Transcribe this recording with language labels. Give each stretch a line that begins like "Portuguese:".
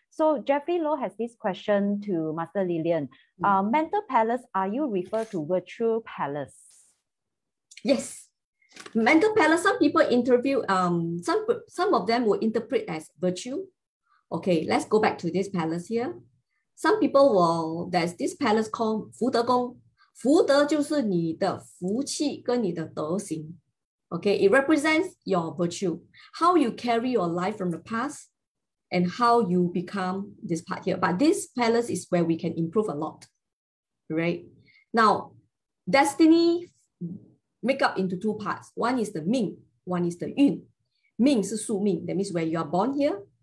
English: So Jeffrey Low has this question to Master Lilian. Mental palace, are you referred to virtual palace? Yes. Mental palace, some people interview, some of them will interpret as virtue. Okay, let's go back to this palace here. some people will, there's this palace called 福德宫.
Chinese: 福德就是你的福气跟你的德行.
English: Okay, it represents your virtue, how you carry your life from the past and how you become this part here. But this palace is where we can improve a lot, right? Now, destiny make up into two parts. One is the Ming, one is the Yun. Ming is Su Ming, that means where you are born here.